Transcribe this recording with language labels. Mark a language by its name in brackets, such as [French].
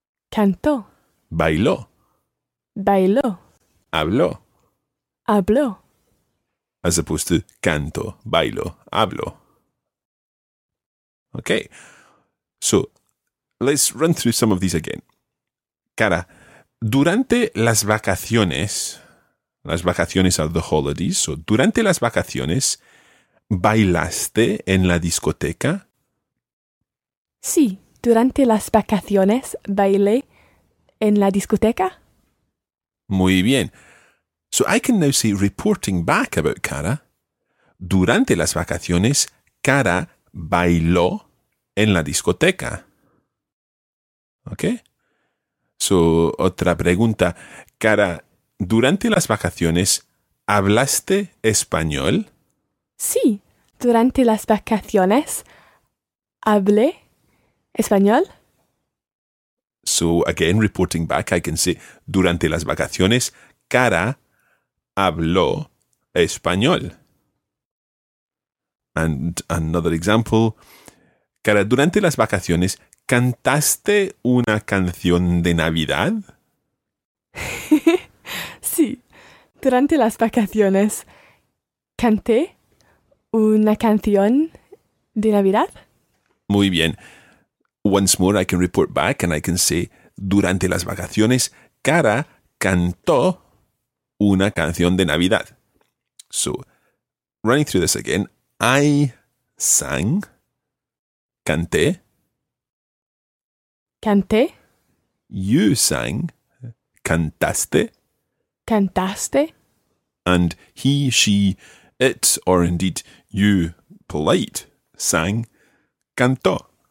[Spanish] Canto. Bailó. Bailó. Habló. Habló. [English] As opposed to canto, bailo, hablo. Okay. So, let's run through some of these again. [Spanish] Cara, durante las vacaciones [English] are the holidays, so [Spanish] durante las vacaciones, ¿bailaste en la discoteca? Sí, durante las vacaciones, bailé en la discoteca. Muy bien. [English] So I can now say reporting back about Cara. [Spanish] Durante las vacaciones, Cara bailó en la discoteca. Okay? So, otra pregunta. Cara, durante las vacaciones, ¿hablaste español? Sí, durante las vacaciones, hablé español. [English] So, again, reporting back, I can say, [Spanish] durante las vacaciones, Cara habló español. [English] And another example. [Spanish] Cara, durante las vacaciones, ¿cantaste una canción de Navidad? Sí, durante las vacaciones, canté una canción de Navidad. Muy bien. [English] Once more, I can report back and I can say, [Spanish] durante las vacaciones, Cara cantó una canción de Navidad. [English] So, running through this again, I sang, canté. [Spanish] Canté. [English] You sang, cantaste. [Spanish] Cantaste. [English] And he, she, it, or indeed you, polite, sang, cantó.